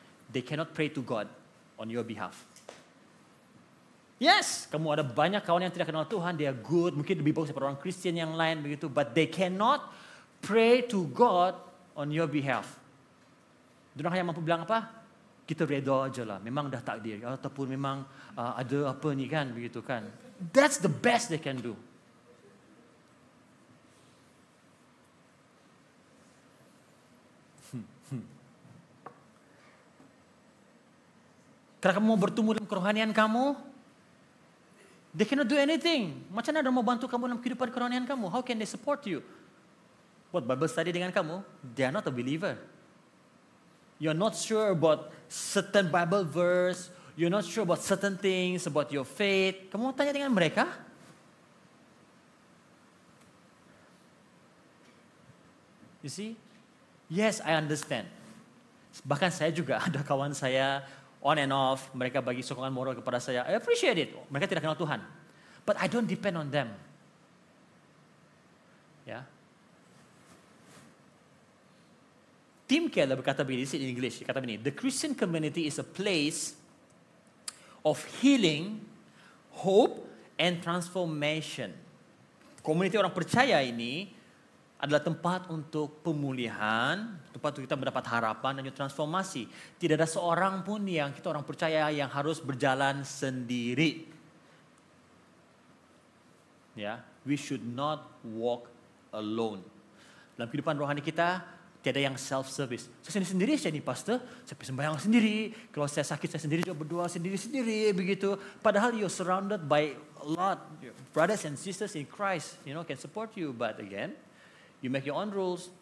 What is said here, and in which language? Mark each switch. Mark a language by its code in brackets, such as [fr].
[en] They cannot pray to God on your behalf. [ms] Yes, kamu ada banyak kawan yang tidak kenal Tuhan. [en] They are good. [ms] Mungkin lebih bagus daripada orang Kristen yang lain begitu. [en] But they cannot pray to God on your behalf. [ms] Mereka hanya mampu bilang apa? Kita redha aja lah. Memang dah takdir. Ataupun memang ada apa ni kan. Begitu kan. [en] That's the best they can do. [ms] Kalau kamu mau bertumbuh dalam kerohanian kamu, [en] they cannot do anything. [ms] Macam mana mereka mau bantu kamu dalam kehidupan kerohanian kamu? [en] How can they support you? What Bible study dengan kamu? They are not a believer. You're not sure about certain Bible verse. You're not sure about certain things about your faith. [ms] Kamu mau tanya dengan mereka? [en] You see? Yes, I understand. [ms] Bahkan saya juga ada kawan saya [en] on and off. [ms] Mereka bagi sokongan moral kepada saya. [en] I appreciate it. [ms] Mereka tidak kenal Tuhan. [en] But I don't depend on them. Yeah? [ms] Tim Keller berkata begini, [en] this is in English, [ms] dia kata begini, [en] the Christian community is a place of healing, hope, and transformation. [ms] Komuniti orang percaya ini adalah tempat untuk pemulihan, tempat untuk kita mendapat harapan dan transformasi. Tidak ada seorang pun yang kita orang percaya yang harus berjalan sendiri. [en] Ya, we should not walk alone. [ms] Dalam kehidupan rohani kita, tiada yang self-service. Saya sendiri-sendiri saja nih, Pastor. Saya sembahyang sendiri. Kalau saya sakit, saya sendiri juga berdoa sendiri-sendiri. Begitu. [en] Padahal you're surrounded by a lot. Brothers and sisters in Christ, you know, can support you. But again, you make your own rules.